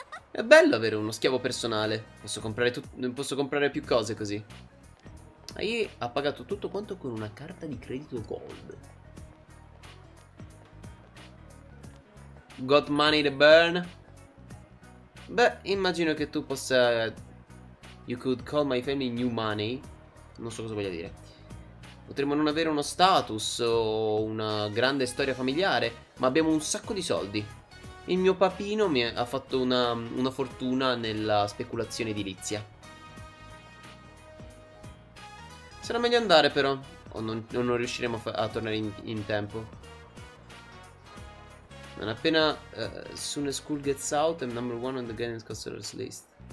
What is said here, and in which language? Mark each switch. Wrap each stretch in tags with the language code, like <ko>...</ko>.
<it>È bello avere uno schiavo personale. Posso comprare più cose così. Ehi, ha pagato tutto quanto con una carta di credito gold.</it> <en>Got money to burn?</en> <it>Beh, immagino che tu possa...</it> <en>You could call my family new money.</en> <it>Non so cosa voglia dire. Potremmo non avere uno status o una grande storia familiare, ma abbiamo un sacco di soldi. Il mio papino ha fatto una fortuna nella speculazione edilizia. Sarà meglio andare però, o non riusciremo a tornare in tempo. Non appena</it> <en>Sune School gets out, I'm number one on the guidance counselor's list.</en>